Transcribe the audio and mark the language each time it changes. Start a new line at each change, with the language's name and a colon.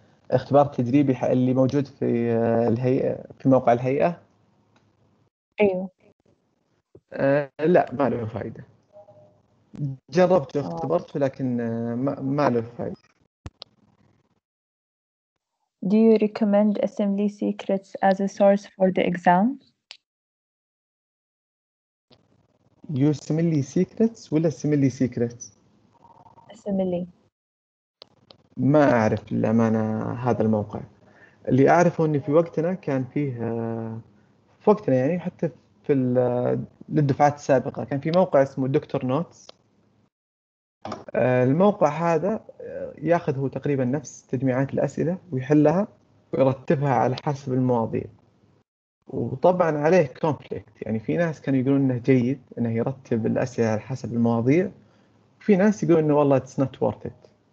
Arabic: اختبار تجريبي اللي موجود في الهيئة، في موقع الهيئة، أيوة. لا ما له فائدة، جربت اختبرت لكن ما له فائدة.
English: Do you recommend SMLE secrets as a source for the exam? You SMLE secrets ولا SMLE secrets؟ SMLE.
Arabic: ما أعرف للأمانة هذا الموقع. اللي أعرفه أني في وقتنا كان فيه، في وقتنا يعني حتى في للدفعات السابقة كان في موقع اسمه دكتور نوتس. الموقع هذا يأخذ هو تقريبا نفس تجميعات الأسئلة ويحلها ويرتبها على حسب المواضيع، وطبعا عليه كونفليكت، يعني في ناس كانوا يقولون أنه جيد أنه يرتب الأسئلة على حسب المواضيع، وفي ناس يقولون أنه والله
English: it's not worth it.